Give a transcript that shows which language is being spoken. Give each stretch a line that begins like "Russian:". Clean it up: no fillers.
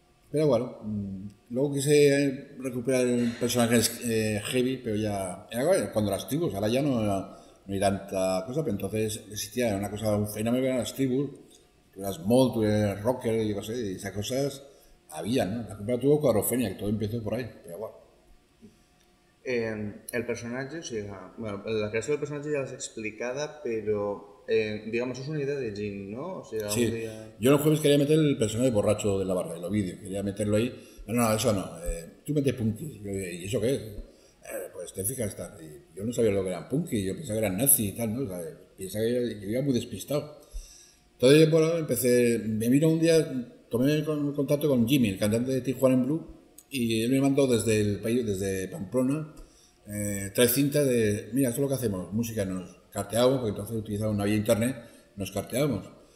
Spanish: Pero bueno, luego quise recuperar el personaje heavy, pero ya era cuando las tribus, ahora ya no hay tanta cosa, pero entonces existía una cosa, un fenómeno en las tribus, tú eras mod, tú eras rocker y no sé, y esas cosas había, ¿no? La cumbre tuvo Cuadrofenia, que todo empezó por ahí, pero bueno.
Catalan: El personatge, o sigui, bueno, la creació del personatge ja l'has explicada, però, digamos, és una idea de Jim, ¿no? O sigui,
Spanish: sí, jo el jueves quería meter el personatge borracho de la barra, el Ovidio, quería meterlo ahí. No, eso no, tú metes punkis, ¿y eso qué es? Pues te fijas, tal. Y yo no sabía lo que eran punkis, yo pensaba que eran nazi y tal, ¿no? O sea, pensaba que yo iba muy despistado. Entonces, bueno, empecé, me vino un día, tomé contacto con Jimmy, el cantante de Tijuana en Blue, y él me mandó desde el país, desde Pamplona, tres cintas de, mira, esto es lo que hacemos, música, nos carteábamos, porque entonces utilizábamos una vía internet, nos carteábamos.